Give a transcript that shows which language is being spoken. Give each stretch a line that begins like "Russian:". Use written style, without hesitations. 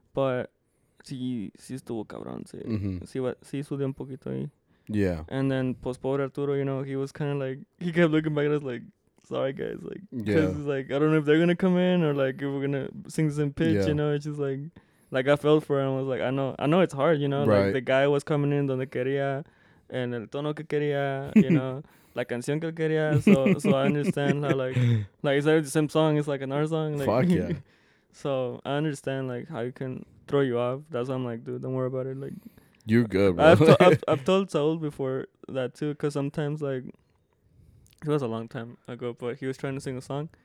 Spanish: But sí estuvo cabrón, sí. Sí sudé un poquito ahí.
English: Yeah. And then, pues, pobre Arturo, you know, he was kind of like, he kept looking back at us like, sorry, guys. Like, because it's like, I don't know if they're going to come in or like if we're going to sing this in pitch, you know, it's just like I felt for him. I was like, I know it's hard, you know, right. Like the guy was coming in
Spanish: donde quería, en el tono que quería,
English: you know.
Spanish: La canción que quería,
English: so I understand how, like, it's not the same song, it's, like, another song. Like, fuck yeah. So, I understand, like, how it can throw you off. That's why I'm like, dude, don't worry about it. Like, you're good, bro. I've told Saul before that, too, because sometimes, like, it was a long time ago, but he was trying to sing a song.